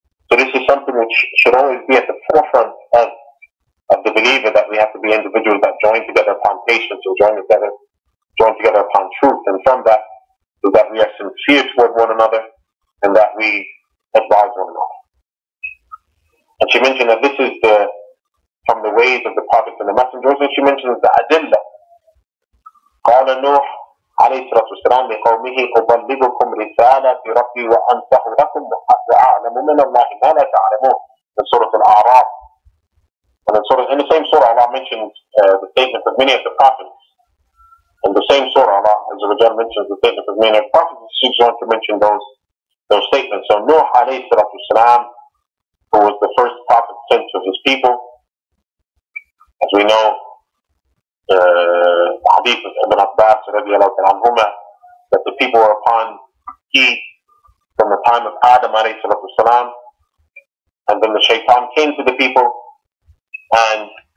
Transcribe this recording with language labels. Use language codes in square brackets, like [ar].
[en] So this is something which should always be at the forefront of the believer, that we have to be individuals that join together upon patience and join together upon truth. And from that, so that we are sincere toward one another and that we advise one another. And she mentioned that this is from the ways of the Prophet and the Messengers, and she mentions the Adilla. [ar] قَالَ نُوحَ عَلَيْهِ صَلَاةُ وَسَلَامُ لِقَوْمِهِ أُبَلِّغُكُمْ رِسَالَةِ رَبِّي وَأَنْصَحُ لَكُمْ وَأَعْلَمُ مِنَ اللَّهِ مَا لَا تَعْلَمُونَ. [en] In Surah Al-A'raf. And in the same surah, Allah mentions the statements of many of the Prophets. In the same surah, Allah Azza wa Jalla mentions the statements of many of the Prophets. She's going to mention those statements. So Nuh alayhi salatu wasalam, who was the first prophet sent to his people, as we know, the hadith of Ibn Abbas radiallahu ta'ala anhuma, that the people were upon heat from the time of Adam alayhi salatu wasalam, and then the shaitan came to the people and